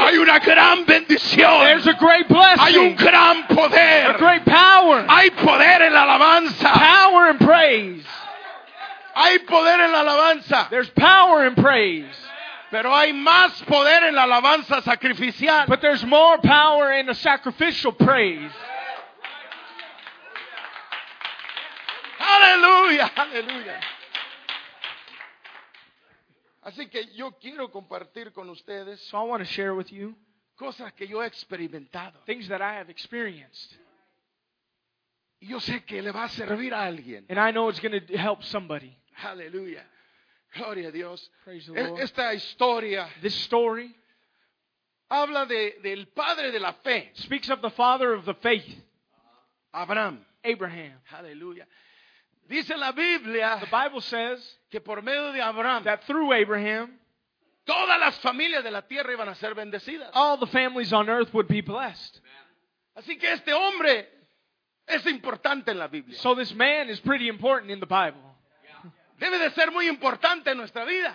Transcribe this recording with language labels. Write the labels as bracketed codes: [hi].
[es] hay una gran bendición, [en] there's a great blessing, [es] hay un gran poder, [en] a great power, [es] hay poder en la alabanza, [en] power in praise, [es] hay poder en la alabanza, [en] there's power in praise, [es] pero hay más poder en la alabanza sacrificial, [en] but there's more power in a sacrificial praise. Aleluya, aleluya. [es] Así que yo quiero compartir con ustedes [en] so I want to share with you [es] cosas que yo he experimentado. [en] Things that I have experienced. [es] Y yo sé que le va a servir a alguien. [en] And I know it's going to help somebody. [es] Hallelujah. Gloria a Dios. [en] Praise the Lord. [es] Esta historia. [en] This story. [es] Habla de, del padre de la fe. [en] Speaks of the father of the faith. [es] Abraham. [en] Abraham. [es] Hallelujah. Dice la Biblia. [en] The Bible says. [es] Que por medio de Abraham. [en] That through Abraham. [es] Todas las familias de la tierra iban a ser bendecidas. [en] All the families on earth would be blessed. [es] Amen. Así que este hombre. Es importante en la Biblia. [en] So this man is pretty important in the Bible. [es] Debe de ser muy importante en nuestra vida.